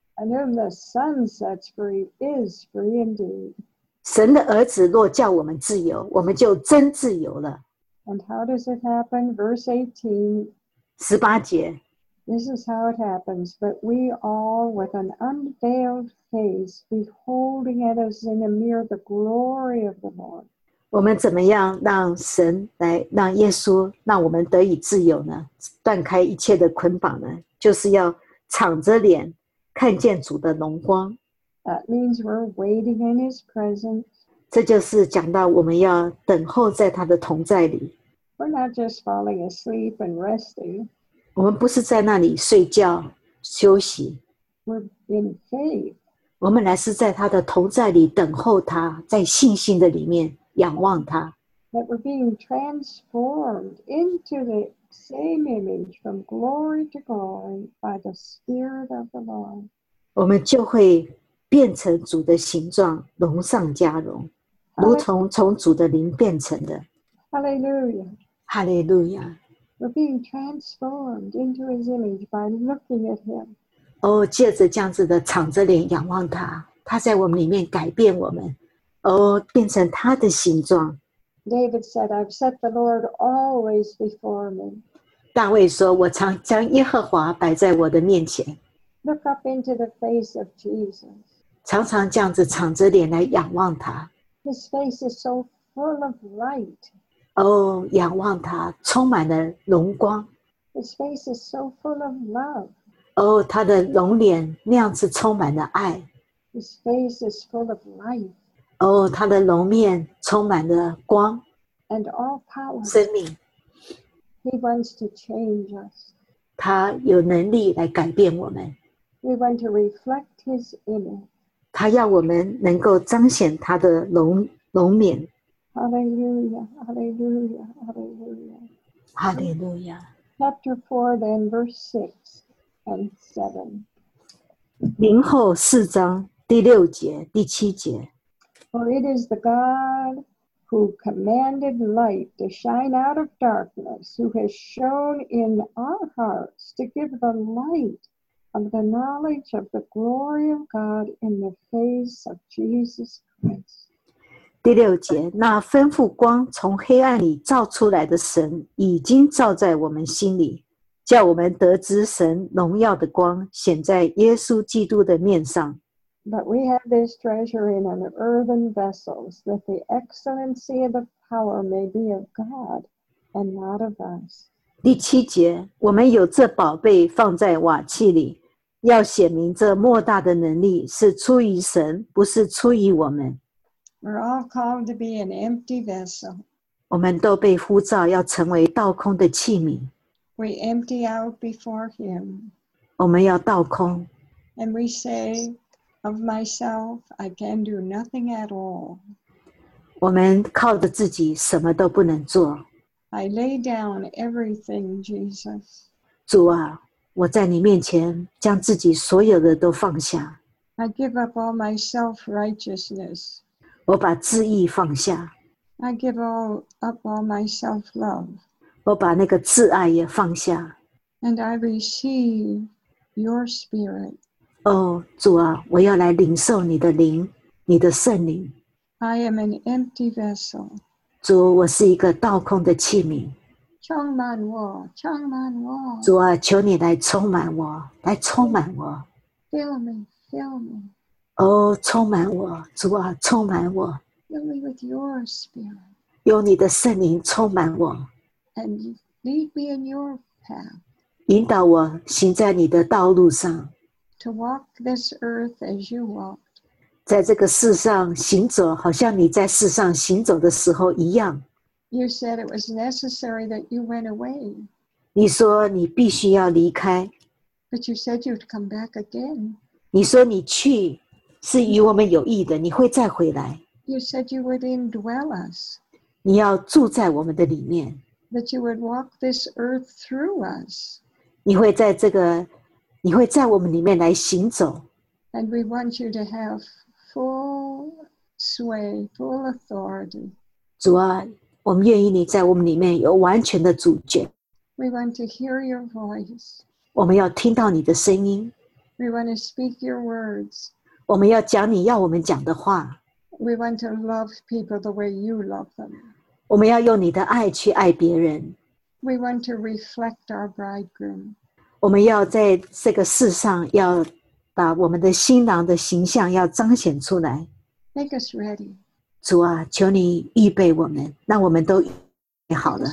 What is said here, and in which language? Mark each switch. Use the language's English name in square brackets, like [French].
[English] And whom the Son sets free is free indeed. [Chinese] 神的儿子若叫我们自由，我们就真自由了。 [English] And how does it happen? Verse 18. [Chinese] 十八节。 [English] This is how it happens. But we all, with an unveiled face, beholding it as in a mirror the glory of the Lord. [Chinese] 我们怎么样让神来，让耶稣让我们得以自由呢？断开一切的捆绑呢？就是要敞着脸。看见主的荣光。 [English] That means we're waiting in his presence. [Chinese] 这就是讲到我们要等候在他的同在里。 [English] We're not just falling asleep and resting. [Chinese] 我们不是在那里睡觉休息。 [English] We're in faith. [Chinese] 我们乃是在他的同在里等候他，在信心的里面仰望他。 [English] That we're being transformed into the same image from glory to glory by the Spirit of the Lord. [Chinese] 我们就会变成主的形状，荣上加荣，如同从主的灵变成的。 [English] Hallelujah. Hallelujah. We're being transformed into his image by looking at him. [Chinese] 哦，借着这样子的敞着脸仰望他，他在我们里面改变我们，哦，变成他的形状。 [English] David said, I've set the Lord always before me. [Chinese] 大卫说，我常将耶和华摆在我的面前。 [English] Look up into the face of Jesus. [Chinese] 常常这样子敞着脸来仰望他。 [English] His face is so full of light. [Chinese] 哦，仰望他，充满了荣光。 [English] His face is so full of love. [Chinese] 哦，他的容脸那样子充满了爱。 [English] His face is full of light. [Chinese] 哦，他的容面充满了光 [English] ，and all power [Chinese] 生命。 [English] He wants to change us. [Chinese] 他有能力来改变我们。 [English] We want to reflect his image. [Chinese] 他要我们能够彰显他的容面。 [English] Hallelujah! Hallelujah! Hallelujah! Hallelujah! Chapter 4, then verse 6 and 7. [Chinese] 灵后四章第六节第七节。 [English] For it is the God who commanded light to shine out of darkness, who has shown in our hearts to give the light of the knowledge of the glory of God in the face of Jesus Christ. [Chinese] 第六节，那吩咐光从黑暗里照出来的神，已经照在我们心里，叫我们得知神荣耀的光显在耶稣基督的面上。 [English] But we have this treasure in an earthen vessel, that the excellency of the power may be of God and not of us. [Chinese] 第七节，我们有这宝贝放在瓦器里，要显明这莫大的能力是出于神，不是出于我们。 [English] We're all called to be an empty vessel. [Chinese] 我们都被呼召要成为倒空的器皿。 [English] We empty out before Him. [Chinese] 我们要倒空。 [English] And we say, of myself, I can do nothing at all. [Chinese] 我们靠着自己什么都不能做。 [English] I lay down everything, Jesus. [Chinese] 主啊，我在你面前将自己所有的都放下。 [English] I give up all my self-righteousness. [Chinese] 我把自义放下。 [English] I give up all my self-love. [Chinese] 我把那个自爱也放下。 [English] And I receive your spirit. [Chinese] 哦，主啊，我要来领受你的灵，你的圣灵。 [English] I am an empty vessel. [Chinese] 主，我是一个倒空的器皿。充满我，充满我。主啊，求你来充满我，来充满我。 [English] Fill me, fill me. [Chinese] 哦，充满我，主啊，充满我。 [English] Fill me with your spirit. [Chinese] 用你的圣灵充满我。 [English] And lead me in your path. [Chinese] 引导我行在你的道路上。 [English] To walk this earth as you walked. [Chinese] 在这个世上行走，好像你在世上行走的时候一样。 [English] You said it was necessary that you went away. [Chinese] 你说你必须要离开。 [English] But you said you'd come back again. [Chinese] 你说你去是与我们有益的，你会再回来。 [English] You said you would indwell us. [Chinese] 你要住在我们的里面。 [English] That you would walk this earth through us. [Chinese] 你会在这个，你会在我们里面来行走。 [English] And we want you to have full sway, full authority. [Chinese] 主啊，我们愿意你在我们里面有完全的主权。 [English] We want to hear your voice. [Chinese] 我们要听到你的声音。 [English] We want to speak your words. [Chinese] 我们要讲你要我们讲的话。 [English] We want to love people the way you love them. [Chinese] 我们要用你的爱去爱别人。 [English] We want to reflect our bridegroom. [Chinese] 我们要在这个世上要把我们的新郎的形象要彰显出来。 [English] Make us ready. [Chinese] 主啊，求你预备我们，让我们都预备好的。